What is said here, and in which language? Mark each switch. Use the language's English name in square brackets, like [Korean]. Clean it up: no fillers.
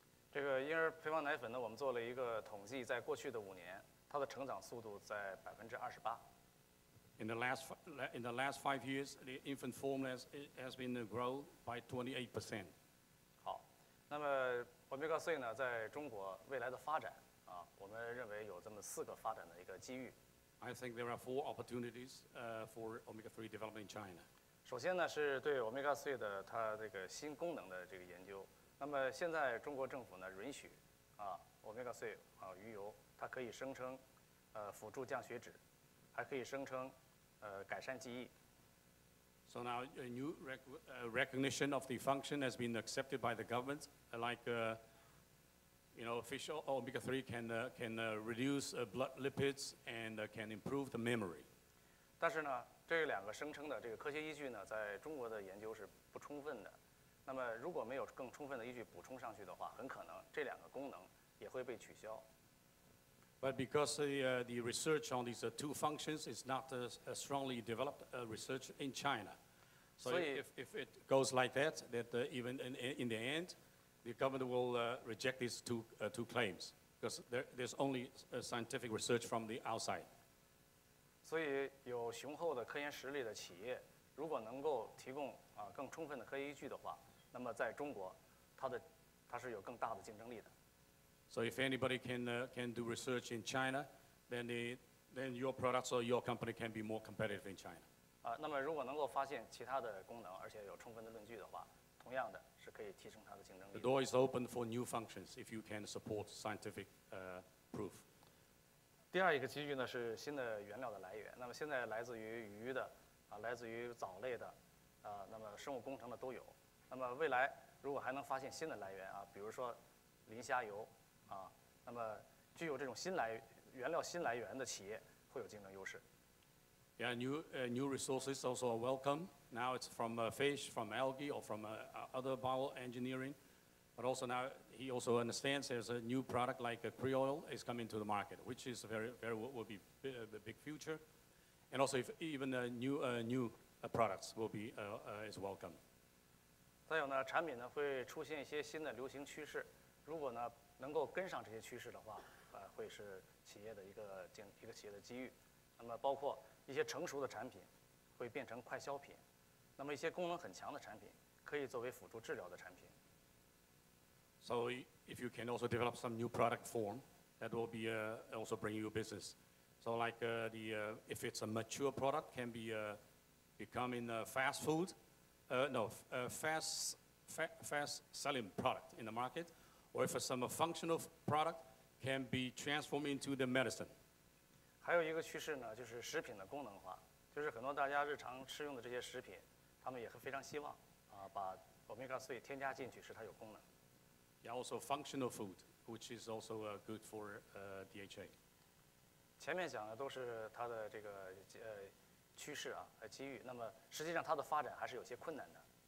[Chinese] 这个婴儿配方奶粉呢，我们做了一个统计，在过去的五年，它的成长速度在28%。 [English] In the last 5 years, the infant formula has been grown by 28%. [Chinese] 好，那么 Omega 3呢，在中国未来的发展啊，我们认为有这么四个发展的一个机遇。 [English] I think there are four opportunities for Omega 3 development in China. [Chinese] 首先呢，是对 Omega 3的它这个新功能的这个研究。那么现在中国政府呢允许，啊 ，Omega 3啊鱼油，它可以声称，辅助降血脂，还可以声称，改善记忆。 [English] So now a new recognition of the function has been accepted by the government, like, you know, official Omega 3 can reduce blood lipids and can improve the memory. [Chinese] 但是呢。这两个声称的这个科学依据呢，在中国的研究是不充分的。那么，如果没有更充分的依据补充上去的话，很可能这两个功能也会被取消。 [English] But because the research on these two functions is not a strongly developed research in China, so if it goes like that, that even in the end, the government will reject these two claims because there's only scientific research from the outside. [Chinese] 所以有雄厚的科研实力的企业，如果能够提供啊更充分的科学依据的话，那么在中国，它是有更大的竞争力的。 [English] So if anybody can do research in China, then your products or your company can be more competitive in China. [Chinese] 啊，那么如果能够发现其他的功能，而且有充分的论据的话，同样的是可以提升它的竞争力。 [English] The door is open for new functions if you can support scientific proof. [Chinese] 第二一个机遇呢是新的原料的来源。那么现在来自于鱼的，啊，来自于藻类的，啊，那么生物工程的都有。那么未来如果还能发现新的来源啊，比如说磷虾油，啊，那么具有这种新来源的企业会有竞争优势。 [English] Yeah, new resources also are welcome. Now it's from fish, from algae, or from other bioengineering, but also now. He also understands there's a new product like a krill oil is coming to the market, which is will be a big future. And also, if even a new products will be is welcome. [Chinese] 再有呢，产品呢会出现一些新的流行趋势。如果呢能够跟上这些趋势的话，会是企业的一个企业的机遇。那么包括一些成熟的产品，会变成快消品，那么一些功能很强的产品可以作为辅助治疗的产品。 [English] So if you can also develop some new product form, that will be also bring you business. So like if it's a mature product, can be become in fast food, fast selling product in the market, or if some functional product can be transformed into the medicine. [Chinese] 还有一个趋势呢，就是食品的功能化，就是很多大家日常吃用的这些食品，他们也非常希望啊，把 omega 3添加进去，使它有功能。 [English] Yeah, also functional food, which is also good for DHA. [Chinese] 前面讲的都是它的这个趋势啊和机遇，那么实际上它的发展还是有些困难的。